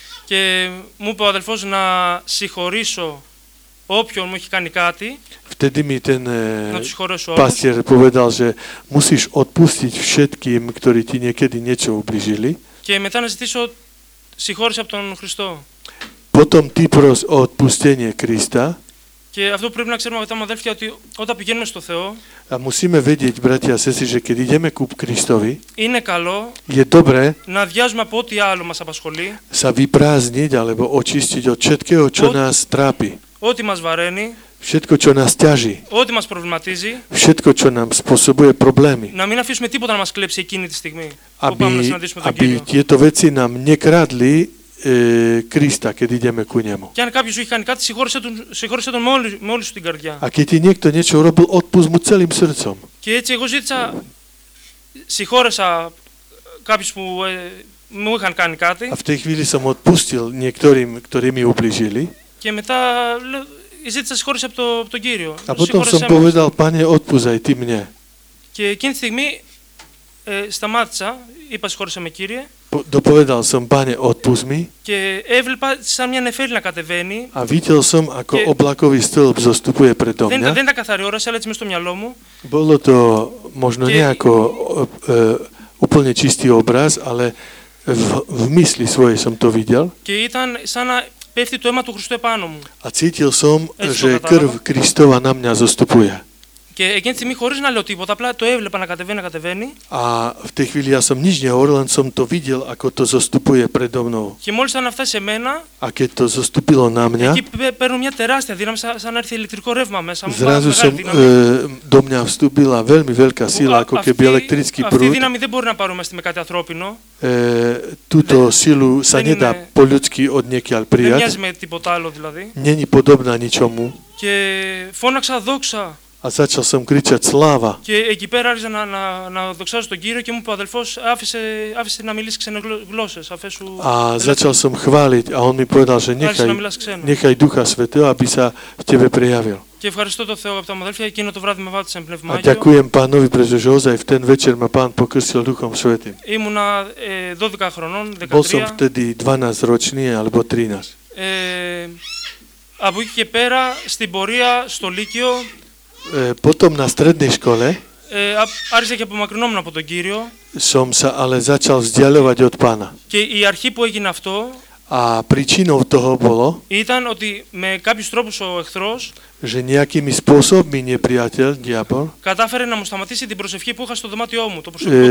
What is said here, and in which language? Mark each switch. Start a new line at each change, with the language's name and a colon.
Greek: Και μου είπε ο αδελφός να συγχωρήσω όποιον μου έχει κάνει κάτι.
Slovak: Vtedy mi ten pastier povedal, že musíš odpustiť všetkým, ktorí ti niekedy niečo ublížili.
Greek: Και μετά να ζητήσω συγχώρηση από τον Χριστό.
Slovak: Potom ty pros o odpustenie Krista.
Greek: Και αυτό πρέπει να ξέρουμε, αγαπητά μου αδέλφια, ότι όταν πηγαίνουμε στο Θεό,
Slovak: a musíme vedieť, bratia a sestry, že keď ideme ku Kristovi,
Greek: είναι καλό,
Slovak: je dobré,
Greek: να αδειάζουμε από ό,τι άλλο μας απασχολεί,
Slovak: sa vyprázdniť, alebo očistiť od všetkého, čo nás trápi,
Greek: ό,τι μας βαραίνει,
Slovak: všetko, čo nás ťaží,
Greek: ό,τι μας προβληματίζει,
Slovak: všetko, čo nám spôsobuje problémy,
Greek: να μην αφήσουμε τίποτα να μας κλέψει εκείνη τη στιγμή,
Slovak: aby tieto veci nám nekradli, Krista, keď ideme ku nemu.
Greek: Και αν κάποιος είχε κάνει κάτι, συγχώρεσε τον με όλη σου την καρδιά.
Slovak: A keď ti niekto niečo urobil, odpust mu celým srdcom.
Greek: Και έτσι εγώ ζήτησα, συγχώρεσα κάποιους που μου είχαν κάνει κάτι.
Slovak: A v tej chvíli som odpustil niektorým, ktorí mi ublížili.
Greek: Και μετά ζήτησα συγχώρεση από τον Κύριο.
Slovak: A potom som povedal, Pane, odpust aj ty mne.
Greek: Και εκείνη τη στιγμή σταμάτησα, είπα συγχώρεσε με Κύριε.
Slovak: Dopovedal som, Pane, odpust mi.
Greek: Και έβλεπα σαν μια νεφέλη να κατεβαίνει.
Slovak: A videl som, ako oblakový stĺp zostupuje predo mňa.
Greek: Δεν ήταν καθαρή όραση, αλλά έτσι μες στο μυαλό μου.
Slovak: Bolo to možno nejako úplne čistý obraz, ale v mysli svojej som to videl.
Greek: Και ήταν σαν να πέφτει το αίμα του Χριστού επάνω μου.
Slovak: A cítil som, že krv Kristova na mňa zostupuje.
Greek: Και εκείνη τη στιγμή, χωρίς να λέω τίποτα, απλά το έβλεπα να κατεβαίνει, να κατεβαίνει.
Slovak: A v tej chvíli ja som nič nehovoril, len som to videl, ako to zostupuje predo mnou.
Greek: Και μόλις ήταν αυτά σε μένα,
Slovak: a keď to zostupilo na mňa,
Greek: εκεί παίρνω μια τεράστια δύναμη, σαν να έρθει ηλεκτρικό ρεύμα μέσα.
Slovak: Zrazu som, do mňa vstúpila veľmi veľká síla, ako keby elektrický prúd.
Greek: Αυτή δύναμη δεν μπορεί να παρομοιαστεί με κάτι ανθρώπινο.
Slovak: Túto sílu sa nedá po ľudsky odniekiaľ prijať.
Greek: Δεν μοιάζει με τίποτα άλλο, δηλαδή.
Slovak: Není podobná ničomu.
Greek: Και φώναξα δόξα.
Slovak: A začal som kričať sláva.
Greek: Και εκεί πέρα άρχισα να δοξάζω τον Κύριο και μου είπε ο αδελφός, άφησε να μιλήσει ξένες γλώσσες.
Slovak: A začal som chváliť a on mi povedal, že nechaj Ducha Svätého, aby sa v tebe prejavil.
Greek: Και ευχαριστώ τον Θεό, αγαπητά μου αδέλφια, εκείνο το βράδυ με βάπτισε με πνεύμα
Slovak: Άγιο. A ďakujem Pánovi, pretože ozaj v ten večer ma Pán pokrstil Duchom Svätým.
Greek: Ήμουνα 12 χρονών, 13.
Slovak: Bol som vtedy 12 ročný alebo 13.
Greek: Από εκεί και πέρα, στην πορεία, στο Λύκειο,
Slovak: potom na strednej škole
Greek: άρχισα και απομακρυνόμουν από τον Κύριο.
Slovak: Som sa ale začal vzdialovať od Pána.
Greek: Και η αρχή που έγινε αυτό
Slovak: a príčinou toho bolo
Greek: ήταν ότι με κάποιους τρόπους ο εχθρός
Slovak: že nejakými spôsobmi nepriateľ, diabol
Greek: κατάφερε να μου σταματήσει την προσευχή που είχα στο δωμάτιό μου, το προσευχικό